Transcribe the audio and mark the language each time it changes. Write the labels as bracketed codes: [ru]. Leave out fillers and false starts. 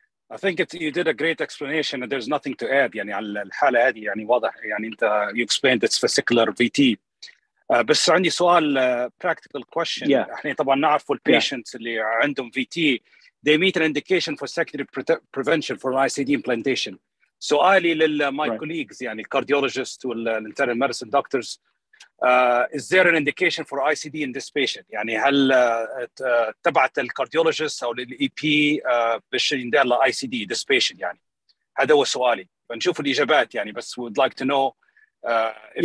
[en] I think you did a great explanation. There's nothing to add. [ar] يعني على الحالة هذه يعني واضح يعني أنت [en] you explained it's vesicular VT. [ar] بس عندي سؤال practical question. [en] Yeah. [ar] إحنا طبعا نعرف ال [en] patients [ar] اللي عندهم [en] VT they meet an indication for secondary prevention for ICD implantation. سؤالي لل my colleagues يعني cardiologists وال internal medicine doctors. Is there an indication for ICD in this patient? [ar] يعني هل تبعت الكارديولوجيست أو الEP بشين ده لICD this patient يعني هذا هو سؤالي بنشوف الإجابات يعني بس [en] would like to know if